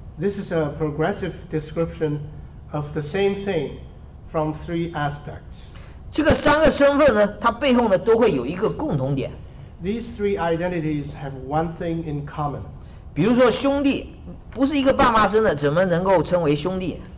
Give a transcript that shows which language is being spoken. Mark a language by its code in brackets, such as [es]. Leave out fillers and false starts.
[en] This is a progressive description of the same thing from three aspects. [zh] 这个三个身份呢，它背后呢都会有一个共同点。 [en] These three identities have one thing in common. [zh] 比如说兄弟，不是一个爸妈生的，怎么能够称为兄弟？